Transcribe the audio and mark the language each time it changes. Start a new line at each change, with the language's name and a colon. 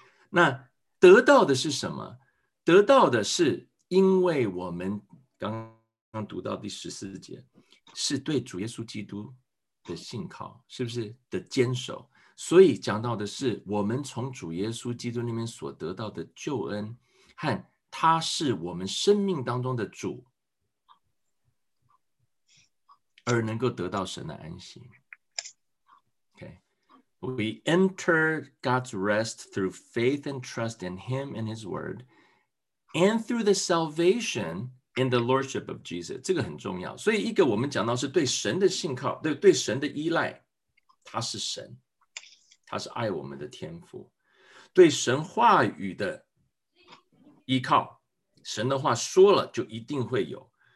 Chinese: 那得到的是什么？得到的是因为我们刚刚读到第十四节是对主耶稣基督的信靠，是不是的坚守？所以讲到的是我们从主耶稣基督里面所得到的救恩和他是我们生命当中的主而能够得到神的安息。
English: Okay. We enter God's rest through faith and trust in him and his word and through the salvation in the lordship of Jesus.
Chinese: 这个很重要。所以一个我们讲到是对神的信靠， 对神的依赖，他是神，他是爱我们的天父，对神话语的依靠，神的话说了就一定会有。